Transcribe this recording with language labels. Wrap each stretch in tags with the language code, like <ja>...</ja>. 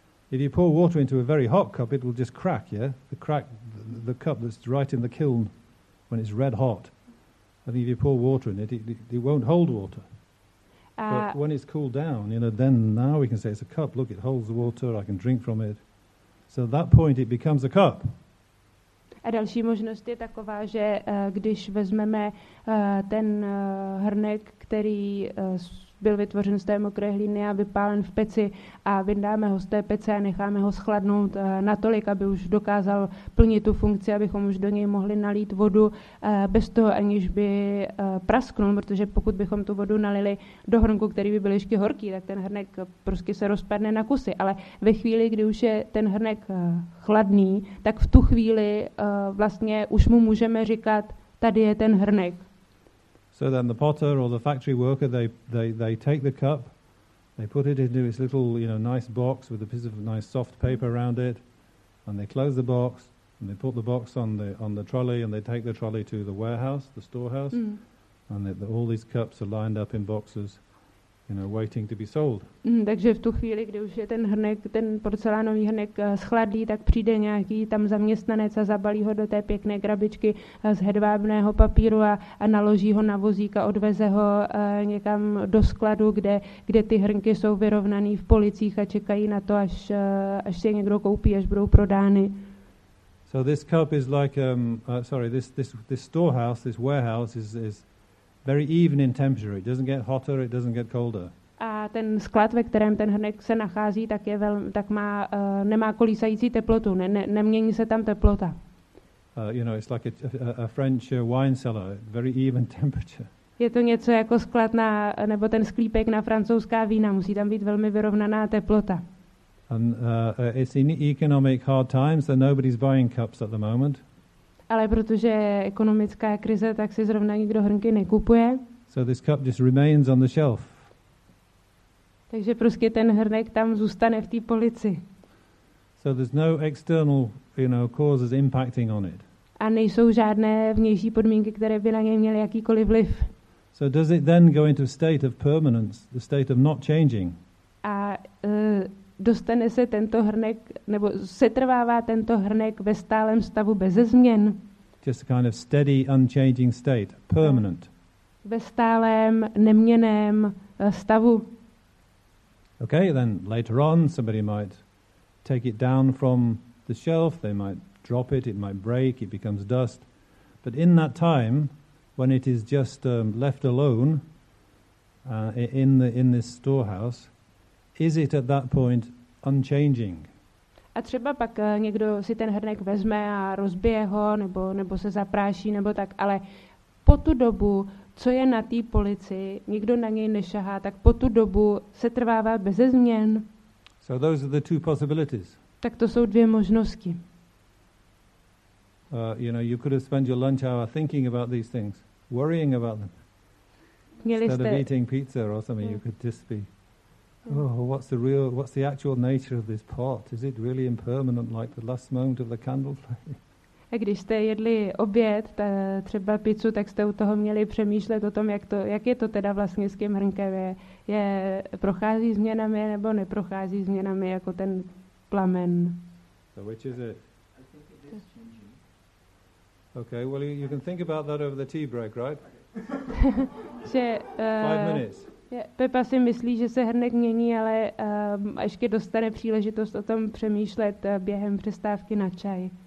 <en>If you pour water into a very hot cup, it will just crack, yeah? The cup that's right in the kiln when it's red hot. I think if you pour water in it, it won't hold water. But when it's cooled down, you know, then now we can say it's a cup. Look, it holds water, I can drink from it. So at that point it becomes a cup.</en> <cs>A další možnost je taková, že když vezmeme ten hrnek, který byl vytvořen z té mokré hlíny a vypálen v peci, a vyndáme ho z té pece a necháme ho schladnout natolik, aby už dokázal plnit tu funkci, abychom už do něj mohli nalít vodu bez toho, aniž by prasknul, protože pokud bychom tu vodu nalili do hrnku, který by byl ještě horký, tak ten hrnek prostě se rozpadne na kusy. Ale ve chvíli, kdy už je ten hrnek chladný, tak v tu chvíli vlastně už mu můžeme říkat, tady je ten hrnek.</cs> <en>So then the potter or the factory worker, they take the cup, they put it into its little, you know, nice box with a piece of nice soft paper around it, and they close the box, and they put the box on the trolley, and they take the trolley to the warehouse, the storehouse, and all these cups are lined up in boxes, you know, waiting to be sold.</en> <cs>Takže v tu chvíli, kdy už je ten hrnek, ten porcelánový hrnek schladlý, tak přijde nějaký tam zaměstnanec a zabalí ho do té pěkné krabičky z hedvábného papíru a naloží ho na vozík a odveze ho někam do skladu, kde ty hrnky jsou vyrovnaný v policích a čekají na to, až se někdo koupí, až budou prodány.</cs> <en>So this cup is like this storehouse, this warehouse is very even in temperature. It doesn't get hotter, it doesn't get colder.</en> <cs>A ten sklad, ve kterém ten hrnek se nachází, tak je nemá kolísající teplotu. Nemění se tam teplota.</cs> <en>You know, it's like a French wine cellar, very even temperature.</en> <cs>Je to něco jako sklad nebo ten sklípek na francouzská vína, musí tam být velmi vyrovnaná teplota.</cs> <en>And it's in economic hard times, so nobody's buying cups at the moment.</en> <cs>Ale protože je ekonomická krize, tak si zrovna nikdo hrnky nekupuje.</cs> <en>So this cup just remains on the shelf.</en> <cs>Takže prostě ten hrnek tam zůstane v té polici.</cs> <en>So there's no external, you know, causes impacting on it.</en> <cs>A nejsou žádné vnější podmínky, které by na něj měly jakýkoliv vliv.</cs> <en>So does it then go into a state of permanence, the state of not changing?</en> <cs>A dostane se tento hrnek, nebo setrvává tento hrnek ve stálém stavu bez změn?</cs> <en>Just a kind of steady, unchanging state, permanent.</en> <cs>Ve stálém, neměném stavu.</cs> <en>Okay, then later on somebody might take it down from the shelf, they might drop it, it might break, it becomes dust. But in that time, when it is just left alone in this storehouse, is it at that point unchanging?</en> <cs>A třeba pak někdo si ten hrnek vezme a rozbije ho, nebo se zapráší, nebo tak, ale po tu dobu, co je na té polici, nikdo na něj nešahá, tak po tu dobu se trvává beze změn.</cs> <en>So those are the two possibilities.</en> <cs>Tak to jsou dvě možnosti.</cs> <en>You know, you could have spent your lunch hour thinking about these things, worrying about them. Instead of eating pizza or something, you could just be, oh, what's the actual nature of this pot? Is it really impermanent like the last moment of the candle flame?</en> <cs>A když jste jedli oběd, třeba pizzu, tak jste u toho měli přemýšlet o tom, jak je to teda vlastně s tím hrnkem. Prochází změnami nebo neprochází změnami jako ten plamen.</cs> <en>So which is it? Okay, well you can think about that over the tea break, right?</en> <cs>Že,</cs> <en>5 minutes.</en> <cs>Pepa si myslí, že se hrnek mění, ale ještě dostane příležitost o tom přemýšlet během přestávky na čaj.</cs>